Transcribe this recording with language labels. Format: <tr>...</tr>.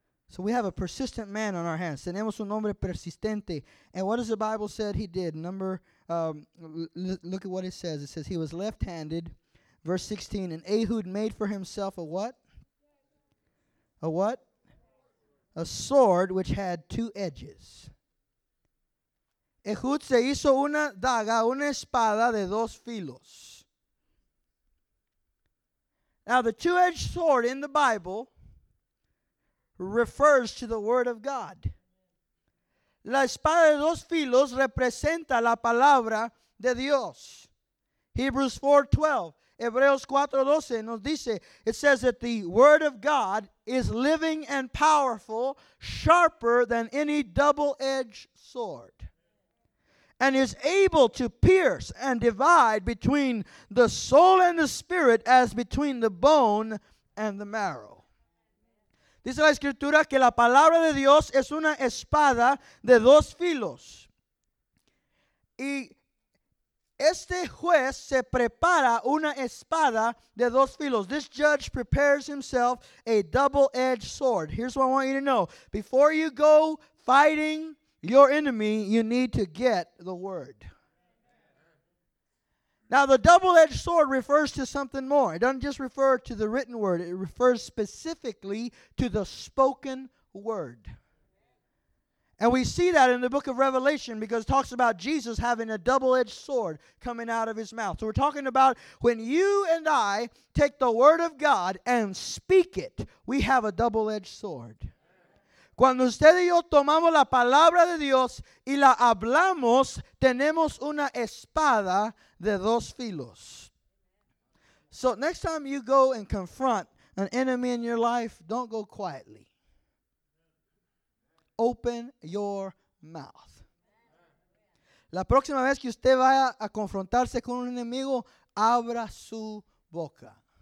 <en>So we have a persistent man on our hands.</en> <es>Tenemos un hombre persistente.</es> <en>And what does the Bible say he did? Look at what it says. It says he was left-handed, verse 16. And Ehud made for himself a what? A what? A sword which had two edges.</en> <es>Ehud se hizo una daga, una espada de dos filos.</es> <en>Now, the two-edged sword in the Bible refers to the Word of God.</en> <es>La espada de dos filos representa la palabra de Dios.</es> <en>Hebrews 4:12,</en> <es>Hebreos 4:12 nos dice,</es> <en>it says that the Word of God is living and powerful, sharper than any double-edged sword. And is able to pierce and divide between the soul and the spirit as between the bone and the marrow.</en> <es>Dice la escritura que la palabra de Dios es una espada de dos filos. Y este juez se prepara una espada de dos filos.</es> <en>This judge prepares himself a double-edged sword. Here's what I want you to know. Before you go fighting your enemy, you need to get the word. Now, the double-edged sword refers to something more. It doesn't just refer to the written word. It refers specifically to the spoken word. And we see that in the book of Revelation because it talks about Jesus having a double-edged sword coming out of his mouth. So we're talking about when you and I take the word of God and speak it, we have a double-edged sword.</en> <es>Cuando usted y yo tomamos la palabra de Dios y la hablamos, tenemos una espada de dos filos.</es> <en>So next time you go and confront an enemy in your life, don't go quietly. Open your mouth.</en> <es>La próxima vez que usted vaya a confrontarse con un enemigo, abra su boca.</es>